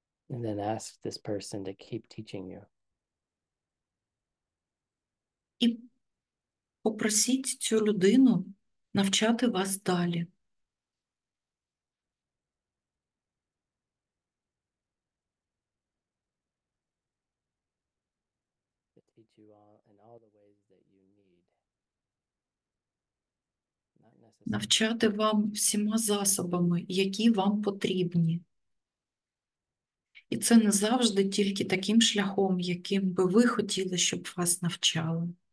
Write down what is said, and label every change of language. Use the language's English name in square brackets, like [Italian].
[English] And then ask this person to keep teaching you. [Ukrainian] Попросіть цю людину навчати вас далі. [English] To teach you all in all the ways that you need. Not necessarily [Ukrainian] Навчати вам всіма засобами, які вам потрібні. І це не завжди тільки таким шляхом, яким би ви хотіли, щоб вас навчали.